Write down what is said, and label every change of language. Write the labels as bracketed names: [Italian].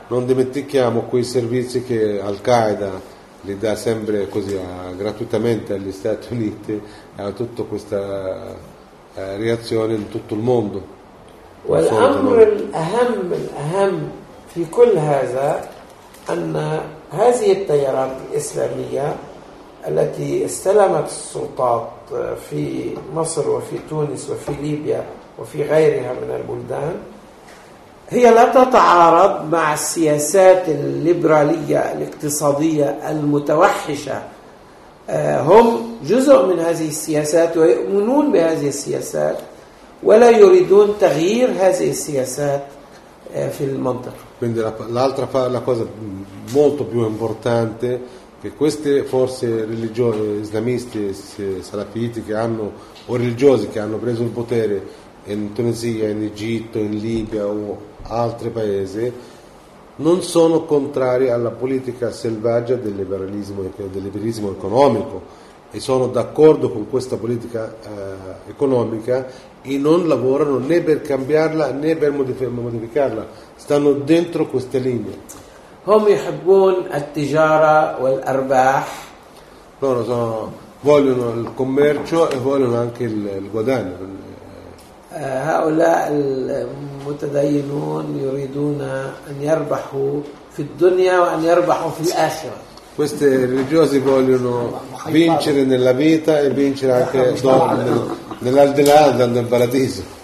[Italian] Non dimentichiamo quei servizi che Al-Qaeda li dà sempre così gratuitamente agli Stati Uniti e a tutta questa reazione in tutto il mondo. [Arabic] والأمر الأهم الأهم في كل هذا أن هذه التيارات الإسلامية التي استلمت السلطات في مصر وفي تونس وفي ليبيا وفي غيرها من البلدان هي لا تتعارض مع السياسات الليبرالية الاقتصادية المتوحشة. هم جزء من هذه السياسات ويؤمنون بهذه السياسات ولا يريدون تغيير هذه السياسات في المنطقة. [Italian] Quindi l'altra la cosa molto più importante che queste forze religiose islamiste salafiti che hanno o religiosi che hanno preso il potere in Tunisia, in Egitto, in Libia o altri paesi non sono contrari alla politica selvaggia del liberalismo economico e sono d'accordo con questa politica economica e non lavorano né per cambiarla né per modificarla, stanno dentro queste linee. [Arabic] هم يحبون التجارة والأرباح. [Italian] Loro vogliono il commercio e vogliono anche il guadagno. [Arabic] هؤلاء المتدينون يريدون أن يربحوا في الدنيا وأن يربحوا في الآخرة. [Italian] Questi religiosi vogliono vincere nella vita e vincere anche dopo, nell'aldilà, andando in paradiso.